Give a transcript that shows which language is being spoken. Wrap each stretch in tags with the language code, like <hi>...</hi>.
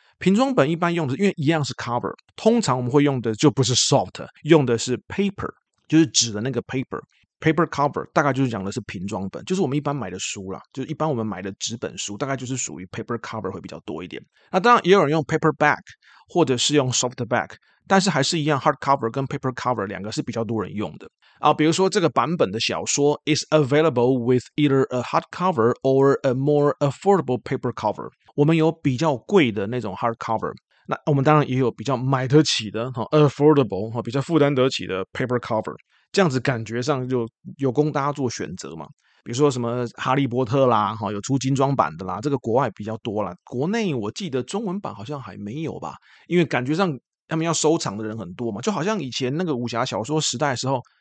<zh>平装本一般用的，因为一样是 cover，通常我们会用的就不是 soft，用的是 paper，就是纸的那个 paper cover，大概就是讲的是平装本，就是我们一般买的书啦，就是一般我们买的纸本书，大概就是属于 paper cover 会比较多一点。那当然也有人用 paperback 或者是用 softback，但是还是一样 hardcover 跟 paper cover 两个是比较多人用的。啊，比如说这个版本的小说</zh> <en>is available with either a hardcover or a more affordable paper cover。</en> <zh>我们有比较贵的那种 hardcover，那我们当然也有比较买得起的哈 affordable 哈，比较负担得起的 paper cover。这样子感觉上就有供大家做选择嘛。比如说什么《哈利波特》啦，哈，有出精装版的啦，这个国外比较多啦，国内我记得中文版好像还没有吧，因为感觉上他们要收藏的人很多嘛，就好像以前那个武侠小说时代的时候。</zh>